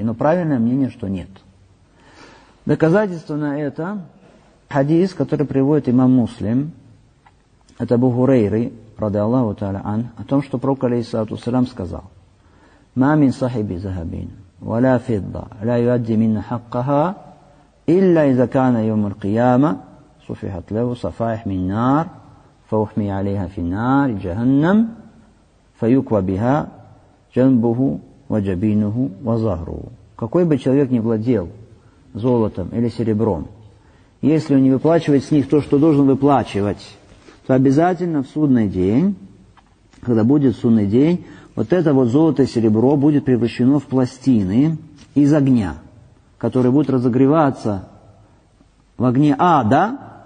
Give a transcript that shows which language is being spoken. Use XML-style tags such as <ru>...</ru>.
<ru>Но правильное мнение, что нет. Доказательство на это хадис, который приводит имам Муслим, от Абу Хурейры, рады Аллаху Та'аля Ан, о том, что пророк, алейхиссалату вассалям, сказал:</ru> <ar>«Ма мин сахиби захабин, ва ля фидда, ля юадди минна хаккаха, илля иза кана йом аль-кияма». صفحت له صفائح من نار فأحمي عليها في النار جهنم فيكوى بها جنبه وجبينه وظهره.</ar> <ru>Какой бы человек ни владел золотом или серебром, если он не выплачивает с них то, что должен выплачивать, то обязательно в судный день, когда будет судный день, вот это вот золото и серебро будет превращено в пластины из огня, которые будут разогреваться в огне ада.</ru>